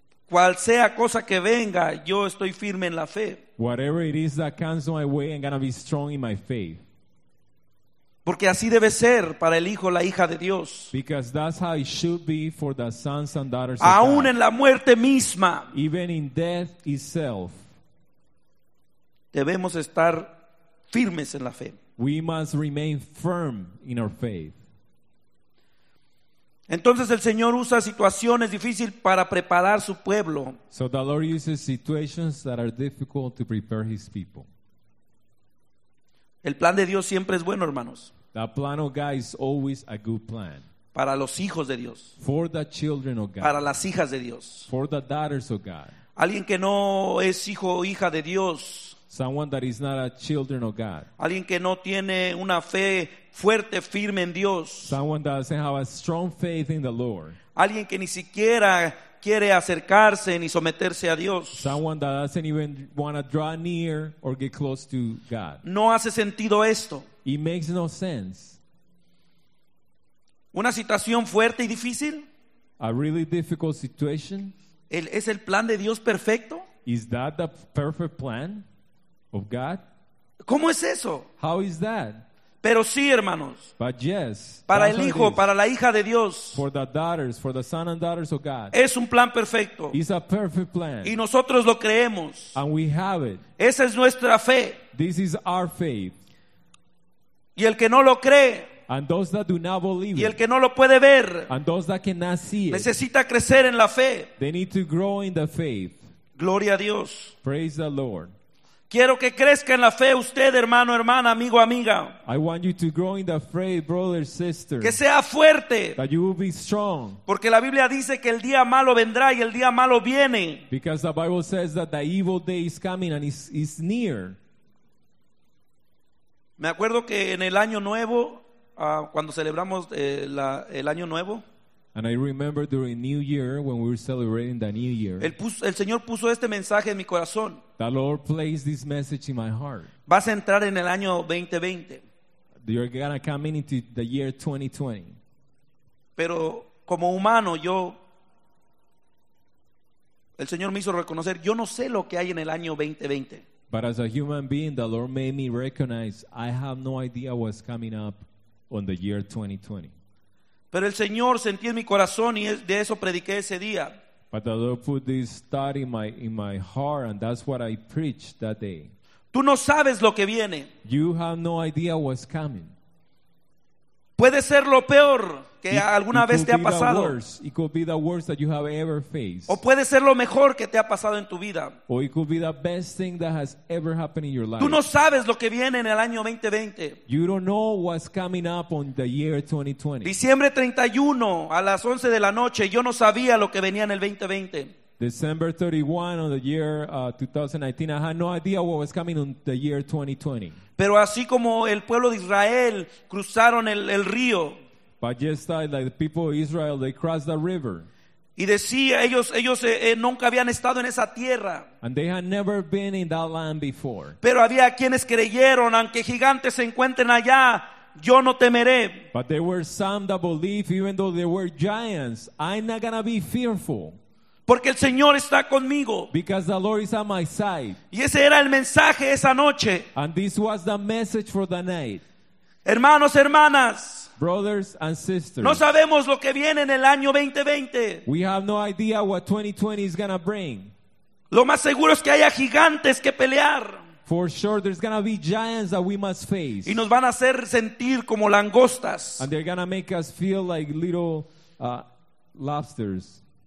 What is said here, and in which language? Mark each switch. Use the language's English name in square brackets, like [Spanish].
[Spanish] Cual sea cosa que venga, yo estoy firme en la fe. [English] Whatever it is that comes my way, I'm going to be strong in my faith. [Spanish] Porque así debe ser para el hijo, la hija de Dios. [English] Because that's how it should be for the sons and daughters of [Spanish] God. Aún en la muerte misma. [English] Even in death itself. [Spanish] Debemos estar firmes en la fe. [English] We must remain firm in our faith. [Spanish] Entonces el Señor usa situaciones difíciles para preparar su pueblo. [English] So the Lord uses situations that are difficult to prepare his people. [Spanish] El plan de Dios siempre es bueno, hermanos. [English] The plan of God is always a good plan. [Spanish] Para los hijos de Dios. [English] For the children of God. [Spanish] Para las hijas de Dios. [English] For the daughters of God. [Spanish] Alguien que no es hijo o hija de Dios. [English] Someone that is not a children of God. [Spanish] Alguien que no tiene una fe fuerte, firme en Dios. [English] Someone that doesn't have a strong faith in the Lord. [Spanish] Alguien que ni siquiera quiere acercarse ni someterse a Dios. [English] Someone that doesn't even want to draw near or get close to God. [Spanish] No hace sentido esto. [English] It makes no sense. [Spanish] Una situación fuerte y difícil. [English] A really difficult situation. [Spanish] ¿Es el plan de Dios perfecto? [English] Is that the perfect plan? Of God? [Spanish] ¿Cómo es eso? [English] How is that? [Spanish] Pero sí, hermanos. [English] But yes. [Spanish] Para el hijo, para la hija de Dios. [English] For the daughters, for the son and daughters of God. [Spanish] Es un plan perfecto. [English] It's a perfect plan. [Spanish] Y nosotros lo creemos. [English] And we have it. [Spanish] Esa es nuestra fe. [English] This is our faith. [Spanish] Y el que no lo cree. [English] And those that do not believe [Spanish] it. Y el que no lo puede ver. [English] And those that cannot see it. [Spanish] Necesita crecer en la fe. [English] They need to grow in the faith. [Spanish] Gloria a Dios. [English] Praise the Lord. [Spanish] Quiero que crezca en la fe usted, hermano, hermana, amigo, amiga. [English] I want you to grow in the faith, brother, sister. [Spanish] Que sea fuerte. [English] That you will be strong. [Spanish] Porque la Biblia dice que el día malo vendrá y el día malo viene. [English] Because the Bible says that the evil day is coming and is near. [Spanish] Me acuerdo que en el año nuevo cuando celebramos el año nuevo. [English] And I remember during New Year when we were celebrating the New Year. [Spanish] El Señor puso este mensaje en mi corazón. [English] The Lord placed this message in my heart. [Spanish] Vas a entrar en el año 2020. [English] You're gonna come into the year 2020. [Spanish] Pero como humano, yo, el Señor me hizo reconocer, yo no sé lo que hay en el año 2020. [English] But as a human being, the Lord made me recognize, I have no idea what's coming up on the year 2020. [Spanish] Pero el Señor sentía en mi corazón y de eso prediqué ese día. [English] But the Lord put this thought in my heart, and that's what I preached that day. [Spanish] Tú no sabes lo que viene. [English] You have no idea what's coming. [Spanish] Puede ser lo peor que alguna vez te ha pasado. [English] It could be the worst that you have ever faced. [Spanish] O puede ser lo mejor que te ha pasado en tu vida. [English] Or it could be the best thing that has ever happened in your life. [Spanish] Tú no sabes lo que viene en el año 2020. [English] You don't know what's coming up on the year 2020. [Spanish] Diciembre 31 a las 11 de la noche, yo no sabía lo que venía en el 2020. [English] December 31 of the year 2019, I had no idea what was coming in the year 2020. [Spanish] Pero así como el pueblo de Israel cruzaron el río. [English] But just like the people of Israel, they crossed the river. [Spanish] Y decía, ellos nunca habían estado en esa tierra. [English] And they had never been in that land before. [Spanish] Pero había quienes creyeron, aunque gigantes se encuentren allá, yo no temeré. [English] But there were some that believed, even though there were giants, I'm not going to be fearful. [Spanish] Porque el Señor está conmigo. [English] Because the Lord is on my side. [Spanish] Y ese era el mensaje esa noche. [English] And this was the message for the night. [Spanish] Hermanos, hermanas. [English] Brothers and sisters. [Spanish] No sabemos lo que viene en el año 2020. [English] We have no idea what 2020 is going to bring. [Spanish] Lo más seguro es que haya gigantes que pelear. [English] For sure, there's going to be giants that we must face. [Spanish] Y nos van a hacer sentir como langostas. [English] And they're going to make us feel like little lobsters.